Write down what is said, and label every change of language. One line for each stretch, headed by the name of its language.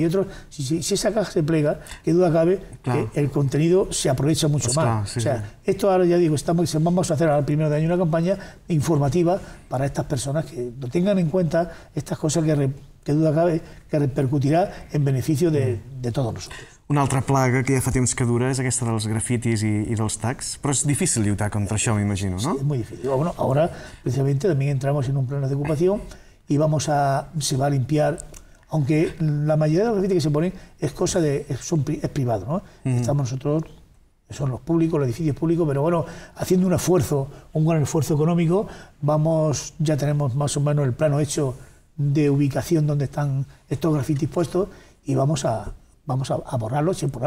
Spanish: Y otros, si esa caja se plega, qué duda cabe, claro, que el contenido se aprovecha mucho más. Claro, sí, o sea, esto ahora ya digo, vamos a hacer al primero de año una campaña informativa para estas personas que lo tengan en cuenta, estas cosas que duda cabe que repercutirà en beneficio
Catalan: de tots nosaltres. Una altra plaga que ja fa temps que dura és aquesta dels grafitis i dels tags, però és difícil lluitar contra això, m'imagino, no? Sí, és molt difícil.
Spanish: Bueno, ahora, precisamente, también entramos en un plan de ocupación y se va a limpiar, aunque la mayoría de los grafitis que se ponen es privado, ¿no? Estamos nosotros, son los públicos, los edificios públicos, pero bueno, haciendo un gran esfuerzo económico, ya tenemos más o menos el plano hecho de ubicación donde están estos grafitis puestos y vamos a borrarlos.